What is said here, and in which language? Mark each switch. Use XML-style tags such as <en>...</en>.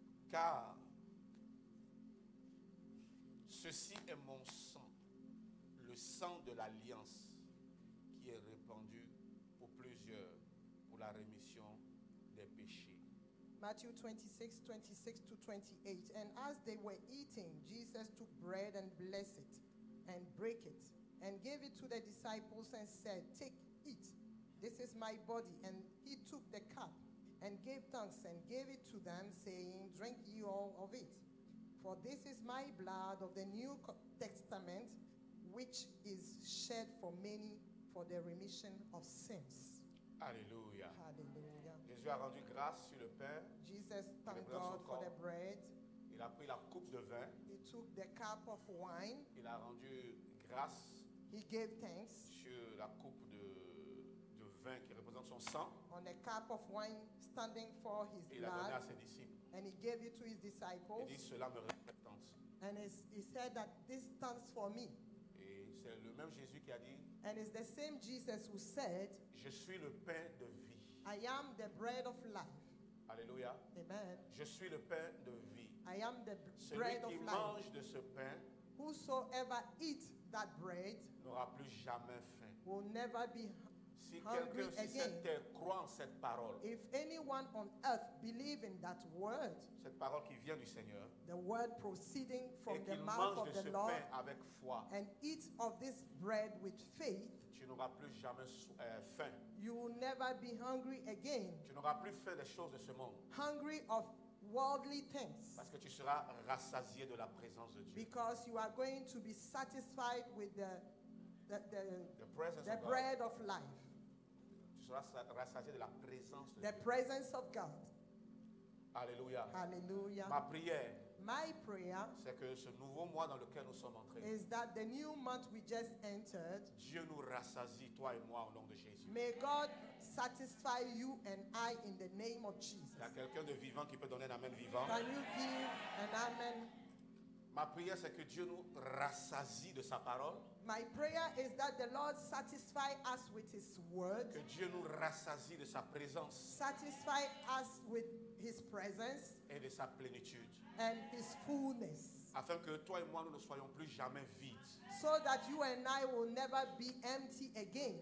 <fr>Car ceci est mon sang, le sang de l'alliance qui est répandu pour plusieurs pour la rémission des péchés.</fr> <en>Matthew 26, 26 to 28. And as they were eating, Jesus took bread and blessed it, and broke it, and gave it to the disciples and said, take, eat, this is my body. And he took the cup and gave thanks and gave it to them, saying, drink ye all of it, for this is my blood of the New Testament, which is shed for many for the remission of sins.</en> <fr>Alléluia. Alléluia. Jésus a rendu grâce sur le pain.</fr> <en>Jesus thanked God for the bread.</en> <fr>Il a pris la coupe de vin.</fr> <en>He took the cup of wine.</en> <fr>Il a rendu grâce.</fr> <en>He gave thanks.</en> <fr>Sur la coupe de vin qui représente son sang.</fr> <en>On the cup of wine standing for his</en> <fr>blood. Il l'a donné à ses disciples.</fr> <en>And he gave it to his disciples.</en> <fr>Il dit cela me représente.</fr> <en>And he said that this stands for me.</en> <fr>C'est le même Jésus qui a dit,</fr> <en>and it's the same Jesus who said,</en> <fr>je suis le pain de vie.</fr> <en>I am the bread of life.</en> <fr>Alléluia. Amen. Je suis le pain de vie.</fr> <en>I am the bread of life.</en> <fr>Celui qui mange de ce pain,</fr> <en>whosoever eats that bread,</en> <fr>n'aura plus jamais faim.</fr> <en>Will never be si hungry again.</en> <fr>Si quelqu'un croit en cette parole,</fr> <en>if anyone on earth believes in that word,</en> <fr>cette parole qui vient du Seigneur,</fr> <en>the word proceeding from the mouth of the Lord,</en> <fr>pain avec foi,</fr> <en>and eat of this bread with faith,</en> <fr>tu n'auras plus jamais faim.</fr> <en>You will never be hungry again.</en> <fr>Tu n'auras plus faim des choses de ce monde.</fr> <en>Hungry of worldly things.</en> <fr>Parce que tu seras rassasié de la présence de Dieu.</fr> <en>Because you are going to be satisfied with the presence the of God. Bread of life.</en> <fr>Tu seras rassasié de la présence de</fr> <en>the</en> <fr>Dieu.</fr> <en>Presence of God.</en> <fr>Alléluia. Alléluia. Ma prière.</fr> <en>My prayer.</en> <fr>C'est que ce nouveau mois dans lequel nous sommes entrés.</fr> <en>Is that the new month we just entered.</en> <fr>Dieu nous rassasie, toi et moi, au nom de Jésus.</fr> <en>May God satisfy you and I in the name of Jesus.</en> <fr>Il y a quelqu'un de vivant qui peut donner un amen vivant.</fr> <en>Can you give an amen?</en> <fr>Ma prière, c'est que Dieu nous rassasie de sa parole.</fr> <en>My prayer is that the Lord satisfy us with his word.</en> <fr>Que Dieu nous rassasie de sa présence.</fr> <en>Satisfy us with his presence.</en> <fr>Et de sa plénitude.</fr> <en>And his fullness.</en> <fr>Afin que toi et moi, nous ne soyons plus jamais vides.</fr> <en>So that you and I will never be empty again.</en>